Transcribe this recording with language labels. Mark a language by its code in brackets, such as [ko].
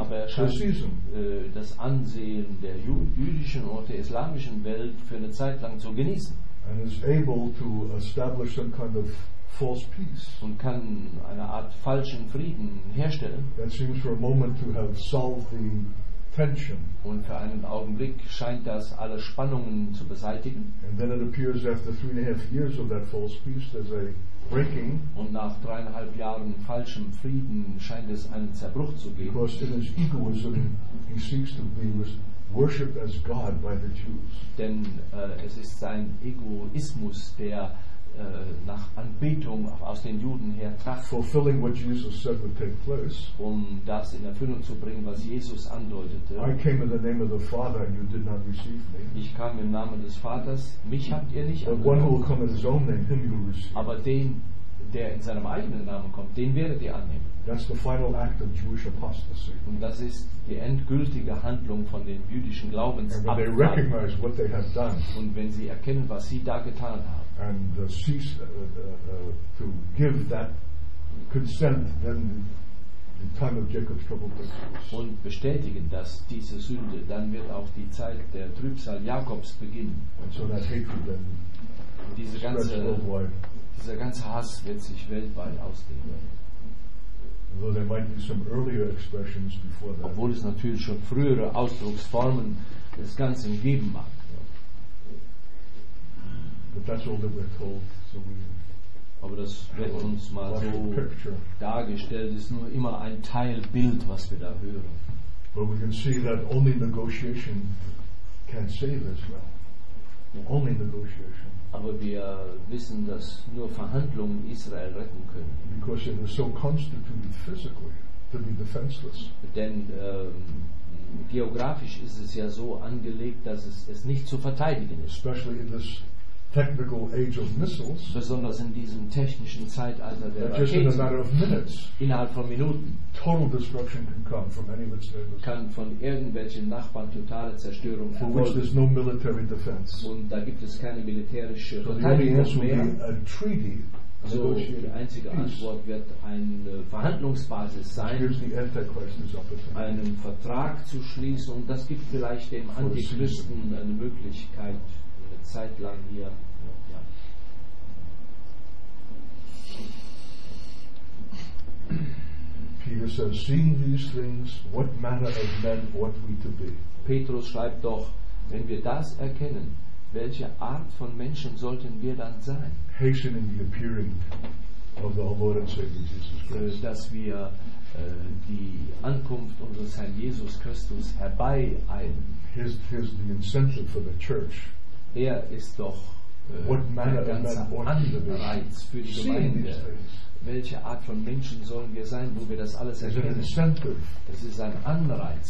[de] Aber er scheint das Ansehen der jüdischen oder der islamischen Welt für eine Zeit lang zu genießen. [en] And is able to establish some kind of false peace. [de] Und kann eine Art falschen Frieden herstellen. [en] That seems for a moment to have solved the tension. [de] Und für einen Augenblick scheint das alle Spannungen zu beseitigen. [en] And then it appears after 3.5 years of that false peace, there's a breaking. [de] Und nach 3.5 Jahren falschem Frieden scheint es einen Zerbruch zu geben. [en] Because in his egoism, he seeks to be worshipped as God by the Jews. [de] Denn es ist sein Egoismus, der nach Anbetung aus den Juden her tracht, [en] fulfilling what Jesus said would take place. [de] Um das in Erfüllung zu bringen, was Jesus andeutete. [en] I came in the name of the Father and you did not receive me. [de] Ich kam im Namen des Vaters, mich habt ihr nicht angenommen. [en] One who will come in his own name, him you will receive. [de] Aber den, der in seinem eigenen Namen kommt, den werdet ihr annehmen. [en] That's the final act of Jewish apostasy. [de] Und das ist die endgültige Handlung von den jüdischen Glaubensabfall. [en] And when they recognize what they have done. [de] Und wenn sie erkennen, was sie da getan haben. [en] And cease to give that consent, then the time of Jacob's trouble comes. [de] Und bestätigen, dass diese Sünde, dann wird auch die Zeit der Trübsal Jakobs beginnen. [en] And so that hatred then spreads worldwide. [de] Dieser ganze Hass wird sich weltweit ausdehnen. [en] Although there might be some earlier expressions before that. [de] Obwohl es natürlich schon frühere Ausdrucksformen des Ganzen geben mag. [en] But that's all that we're told. So we [de] aber das wird uns mal so [en] picture [de] dargestellt, ist nur immer ein Teilbild, was wir da hören. [en] But we can see that only negotiation can save Israel. Only negotiation. [de] Aber wir wissen, dass nur Verhandlungen Israel retten können. [en] Because it is so constituted physically to be defenseless. [de] Denn geografisch ist es ja so angelegt, dass es nicht zu verteidigen ist. [en] Especially in this technical age of missiles, [de] besonders in diesem technischen Zeitalter der Raketen, [en] just in a matter of minutes, [de] innerhalb von Minuten, [en] total destruction can come from any of its neighbors. [de] Kann von irgendwelchen Nachbarn totale Zerstörung [en] for which there's no military defense. [de] Und da gibt es keine militärische Verteidigung mehr. So die einzige Antwort wird eine Verhandlungsbasis sein, einen Vertrag zu schließen, und das gibt vielleicht dem Antichristen eine Möglichkeit, Zeit lang hier. Ja. [en] Peter says, seeing these things, what manner of men ought we to be? [de] Petrus schreibt doch, wenn wir das erkennen, welche Art von Menschen sollten wir dann sein? [en] Hastening the appearing of the Lord and Savior Jesus Christ. [de] Dass wir die Ankunft unseres Herrn Jesus Christus herbeieilen. [en] Here's the incentive for the church. [de] Er ist doch der ganze Anreiz für die Gemeinde. Welche Art von Menschen sollen wir sein, wo wir das alles erkennen? Es ist ein Anreiz,